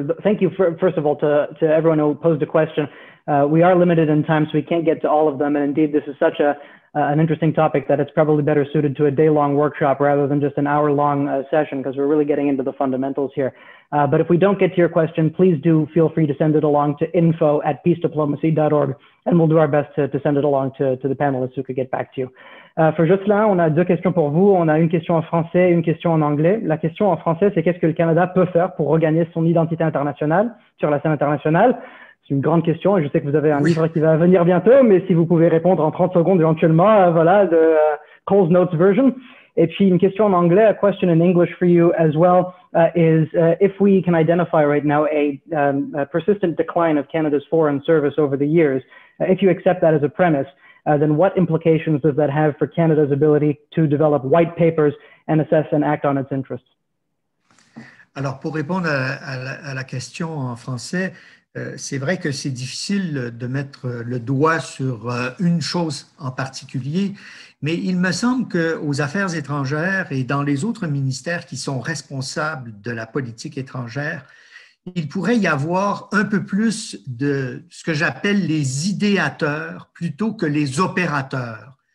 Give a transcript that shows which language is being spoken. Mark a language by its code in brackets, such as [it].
[en] Thank you, first of all, to everyone who posed a question. We are limited in time, so we can't get to all of them, and indeed, this is such an interesting topic that it's probably better suited to a day-long workshop rather than just an hour-long session, because we're really getting into the fundamentals here. But if we don't get to your question, please do feel free to send it along to info@peacediplomacy.org, and we'll do our best to send it along to the panelists who could get back to you. For Jocelyn, [fr] on a deux questions pour vous. On a une question en français et une question en anglais. La question en français, c'est qu'est-ce que le Canada peut faire pour regagner son identité internationale sur la scène internationale? C'est une grande question et je sais que vous avez un livre qui va venir bientôt, mais si vous pouvez répondre en 30 secondes éventuellement, voilà, [en] the Coles Notes version. [fr] Et puis une question en anglais, [en] a question in English for you as well, is if we can identify right now a persistent decline of Canada's foreign service over the years, if you accept that as a premise, then what implications does that have for Canada's ability to develop white papers and assess and act on its interests? [fr] Alors pour répondre à la question en français, c'est vrai que c'est difficile de mettre le doigt sur une chose en particulier, mais il me semble qu'aux affaires étrangères et dans les autres ministères qui sont responsables de la politique étrangère, il pourrait y avoir un peu plus de ce que j'appelle les idéateurs plutôt que les opérateurs.